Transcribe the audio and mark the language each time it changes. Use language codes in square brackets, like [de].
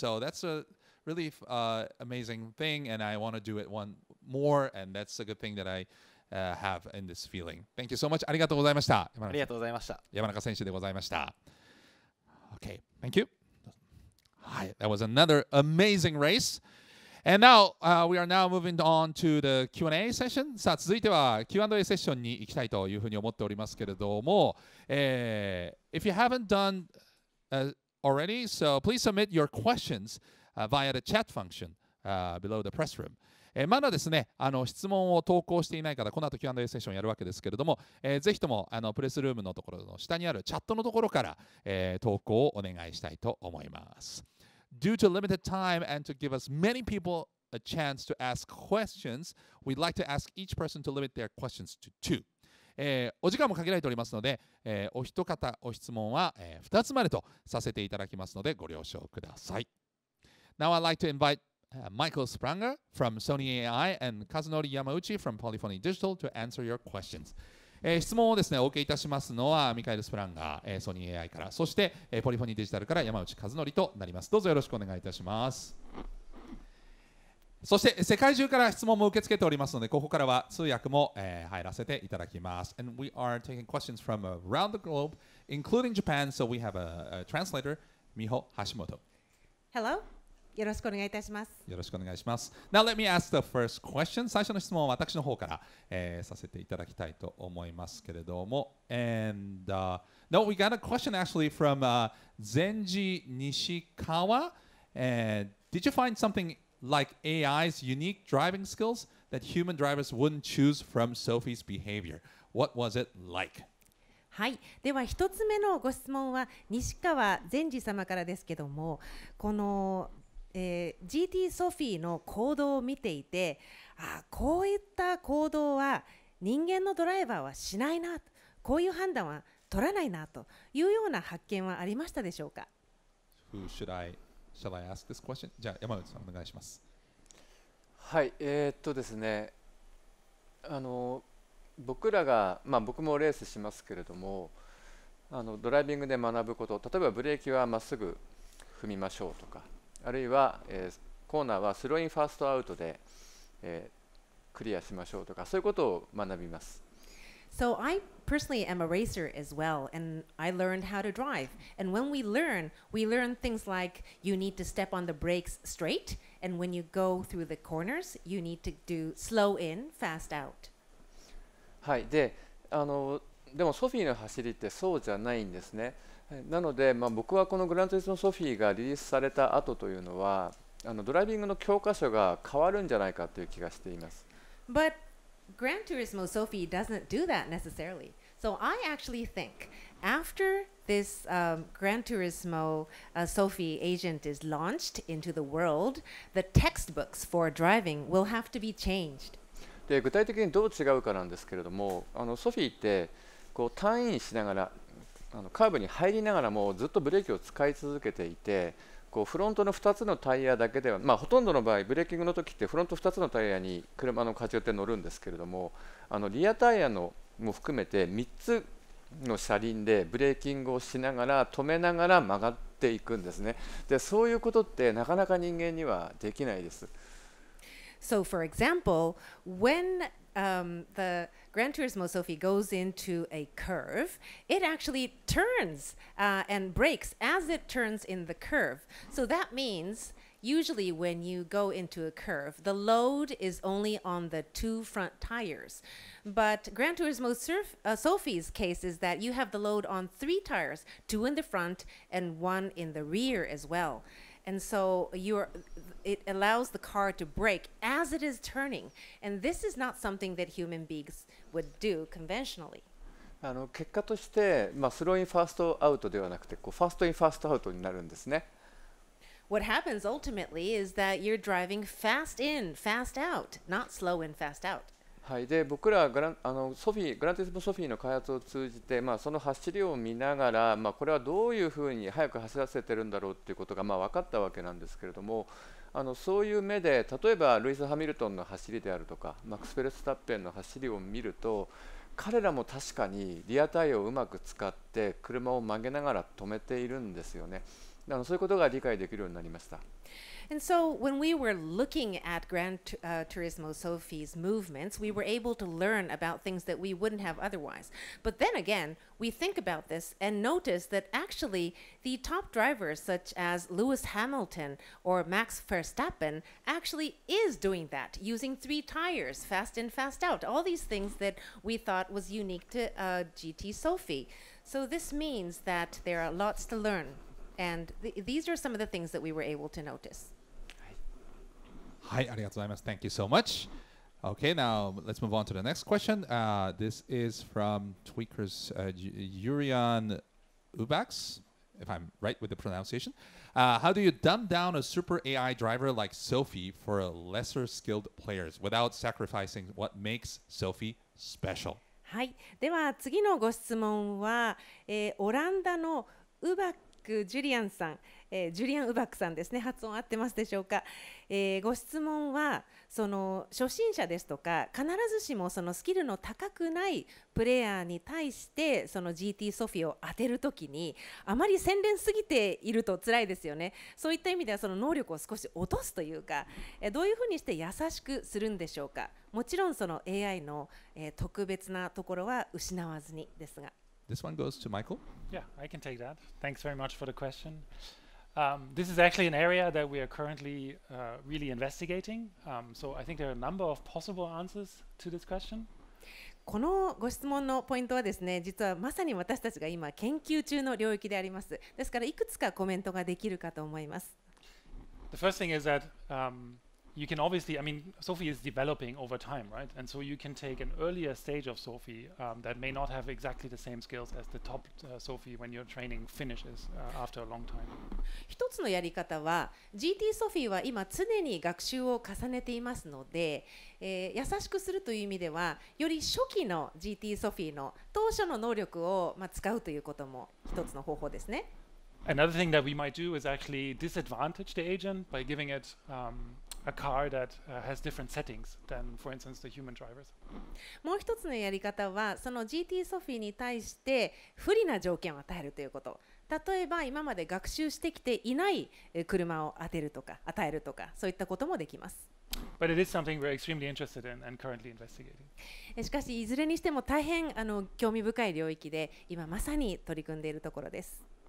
[en] So that's a really amazing thing, and I want to do it one more. And that's a good thing that I have in this feeling. Thank you so much. [ja] ありがとうございました。ありがとうございました。山中選手でございました。 [en] Okay, thank you. Hi, that was another amazing race. And now, we are now moving on to the Q&A session. [ja] さあ、続いては Q&A セッションに行きたいというふうに思っておりますけれども、 [en] If you haven't done already, so please submit your questions via the chat function below the press room. [ja] まだですね、質問を投稿していない方、この後 Q&A セッションやるわけですけれども、ぜひともプレスルームのところの下にあるチャットのところから、投稿をお願いしたいと思います。 [en] Due to limited time and to give us many people a chance to ask questions, we'd like to ask each person to limit their questions to two. [ja] お時間も限られておりますので、お一方お質問は、2つまでとさせていただきますのでご了承ください。 [en] Now I'd like to invite Michael Spranger from Sony AI and Kazunori Yamauchi from Polyphony Digital to answer your questions. [ja] 質問をですね、お受けいたしますのはミカエル・スプランガー、ソニー AI から、そして、ポリフォニーデジタルから山内和則となります。どうぞよろしくお願いいたします。そして世界中から質問も受け付けておりますので、ここからは通訳も、入らせていただきます。 [en] And we are taking questions from around the globe including Japan, so we have a translator Miho Hashimoto. Hello, [ja] よろしくお願いいたします。よろしくお願いします。 [en] Now let me ask the first question. [ja] 最初の質問は私の方から、させていただきたいと思いますけれども、 [en] And no, we got a question actually from Zenji Nishikawa. Did you find something like AI's unique driving skills that human drivers wouldn't choose from Sophie's behavior? What was it like? [ja] はい、では一つ目のご質問は西川善治様からですけども、この、GT ソフィーの行動を見ていて、あ、こういった行動は人間のドライバーはしないな、こういう判断は取らないなというような発見はありましたでしょうか。 [en] Who should I, shall I ask this question? [ja] じゃあ山内さんお願いします。はい、ですね、僕らが、まあ、僕もレースしますけれども、ドライビングで学ぶこと、例えばブレーキはまっすぐ踏みましょうとか、あるいは、コーナーはスローインファーストアウトで、クリアしましょうとか、そういうことを学びます。 [en] So I personally am a racer as well, and I learned how to drive. And when we learn things like you need to step on the brakes straight, and when you go through the corners, you need to do slow in, fast out. [ja] はい、で、でもソフィーの走りってそうじゃないんですね。なので、まあ、僕はこのグランツリスのソフィーがリリースされた後というのは、ドライビングの教科書が変わるんじゃないかという気がしています。 [en] But Gran Turismo Sophy doesn't do that necessarily. So I actually think after this Gran Turismo Sophy agent is launched into the world, the textbooks for driving will have to be changed. [ja] で具体的にどう違うかなんですけれども、ソフィーってこうターンインしながら、カーブに入りながらもずっとブレーキを使い続けていて、こうフロントの2つのタイヤだけでは、まあ、ほとんどの場合ブレーキングの時ってフロント2つのタイヤに車の荷重って乗るんですけれども、リアタイヤのも含めて3つの車輪でブレーキングをしながら止めながら曲がっていくんですね。でそういうことってなかなか人間にはできないです。 [en] So, for example, when the Gran Turismo Sophy goes into a curve, it actually turns and brakes as it turns in the curve. So that means usually when you go into a curve, the load is only on the two front tires. But Gran Turismo Sophy's case is that you have the load on three tires, two in the front and one in the rear as well. And so it allows the car to brake as it is turning. And this is not something that human beings would do conventionally. [ja] あの結果として、まあ、スローインファーストアウトではなくてこうファーストインファーストアウトになるんですね。 [en] What happens ultimately is that you're driving fast in, fast out, not slow in, fast out. [ja] はい、で僕らあのソフィー、グランティスモソフィーの開発を通じて、まあ、その走りを見ながら、まあ、これはどういうふうに速く走らせてるんだろうっていうことが、まあ、分かったわけなんですけれども、あのそういう目で例えばルイス・ハミルトンの走りであるとかマックス・フェルスタッペンの走りを見ると、彼らも確かにリアタイヤをうまく使って車を曲げながら止めているんですよね。あのそういうことが理解できるようになりました。 [en] And so when we were looking at Gran Turismo Sophy's movements, we were able to learn about things that we wouldn't have otherwise. But then again, we think about this and notice that actually the top drivers such as Lewis Hamilton or Max Verstappen actually is doing that, using three tires, fast in, fast out, all these things that we thought was unique to GT Sophy. So this means that there are lots to learn. And these are some of the things that we were able to notice. Hi, [ja] arigatou. [en] Thank you so much. Okay, now let's move on to the next question. This is from Tweakers Yurian Ubax, if I'm right with the pronunciation. How do you dumb down a super AI driver like Sophy for lesser skilled players without sacrificing what makes Sophy special? [ja] はい、では次のご質問は、オランダのウバックジュリアン・ウバックさんですね、発音合ってますでしょうか。ご質問はその初心者ですとか必ずしもそのスキルの高くないプレイヤーに対してその GT ソフィを当てるときにあまり洗練すぎていると辛いですよね。そういった意味ではその能力を少し落とすというか、どういうふうにして優しくするんでしょうか。もちろんその AI の、特別なところは失わずにですが。 [en] This one goes to Michael. Yeah, I can take that. Thanks very much for the question. This is actually an area that we are currently really investigating. So I think there are a number of possible answers to this question. [ja] このご質問のポイントはですね、実はまさに私たちが今研究中の領域であります。ですからいくつかコメントができるかと思います。 [en] The first thing is that you can obviously, I mean, Sophy is developing over time, right? And so you can take an earlier stage of Sophy that may not have exactly the same skills as the top Sophy when your training finishes after a long time. [ja] 一つのやり方は、GT Sophy は今常に学習を重ねていますので、優しくするという意味では、より初期の GT Sophy の当初の能力を、まあ、使うということも一つの方法ですね。 [en] Another thing that we might do is actually disadvantage the agent by giving it a car that has different settings than, for instance, the human drivers. [ja] もう一つのやり方は、その GT ソフィーに対して不利な条件を与えるということ。例えば、今まで学習してきていない車を当てるとか、与えるとか、そういったこともできます。 [en] But it is something we're extremely interested in and currently investigating. [ja] しかし、いずれにしても大変あの興味深い領域で、今まさに取り組んでいるところです。